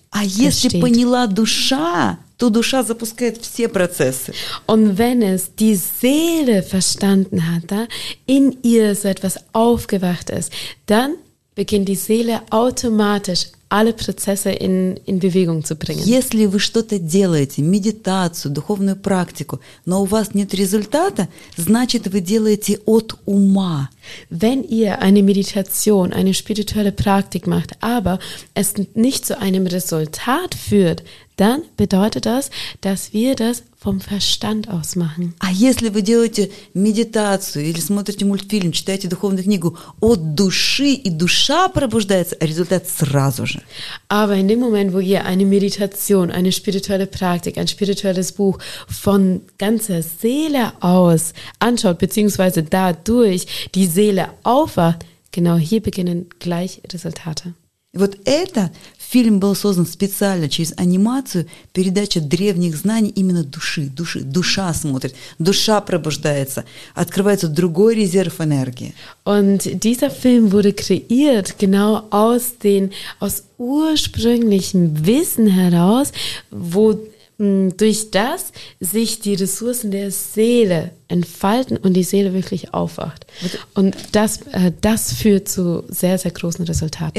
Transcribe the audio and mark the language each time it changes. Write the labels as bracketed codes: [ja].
[de] entsteht. [ru] А если поняла душа, то душа запускает все процессы. [de] Und wenn es die Seele verstanden hat, da in ihr so etwas aufgewacht ist, dann beginnt die Seele automatisch alle Prozesse in Bewegung zu bringen. [ru] Если вы что-то делаете, медитацию, духовную практику, но у вас нет результата, значит, вы делаете от ума. [de] Wenn ihr eine Meditation, eine spirituelle Praktik macht, aber es nicht zu einem Resultat führt, dann bedeutet das, dass wir das vom Verstand aus machen. [ru] А если вы делаете медитацию или смотрите мультфильм, читаете духовную книгу от души, и душа пробуждается, результат сразу же. [de] Aber in dem Moment, wo ihr eine Meditation, eine spirituelle Praktik, ein spirituelles Buch von ganzer Seele aus anschaut, beziehungsweise dadurch die Seele aufwacht, genau hier beginnen gleich Resultate. [ru] Вот это... Фильм был создан специально через анимацию, передача древних знаний именно души, души, душа смотрит, душа пробуждается, открывается другой резерв энергии. [de] Und dieser Film wurde kreiert genau aus den aus ursprünglichem Wissen heraus, wo durch das sich die Ressourcen der Seele entfalten und die Seele wirklich aufwacht. Und das, das führt zu sehr, sehr großen Resultaten.